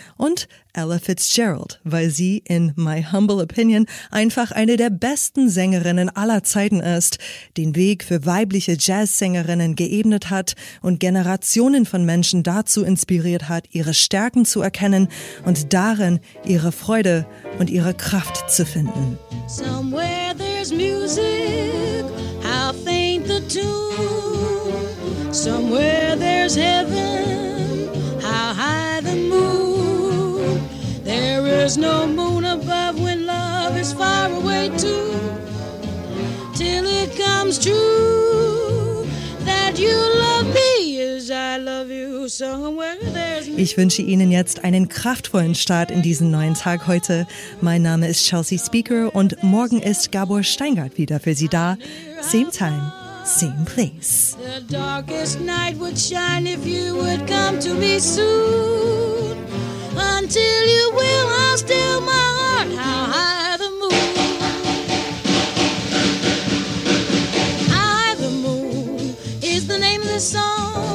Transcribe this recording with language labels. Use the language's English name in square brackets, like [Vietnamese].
[German] Und Ella Fitzgerald, weil sie, [English] in my humble opinion, [German] einfach eine der besten Sängerinnen aller Zeiten ist, den Weg für weibliche Jazzsängerinnen geebnet hat und Generationen von Menschen dazu inspiriert hat, ihre Stärken zu erkennen und darin ihre Freude und ihre Kraft zu finden. [English] Somewhere there's music, how faint the tune. Somewhere there's heaven, how high the moon. There is no moon above when love is far away too. Till it comes true that you love me as I love you. Somewhere there's moon. [German] Ich wünsche Ihnen jetzt einen kraftvollen Start in diesen neuen Tag heute. Mein Name ist Chelsea Speaker und morgen ist Gabor Steingart wieder für Sie da. [English] Same time. Same place. The darkest night would shine if you would come to me soon. Until you will, I'll steal my heart. How high the moon. High the moon is the name of the song.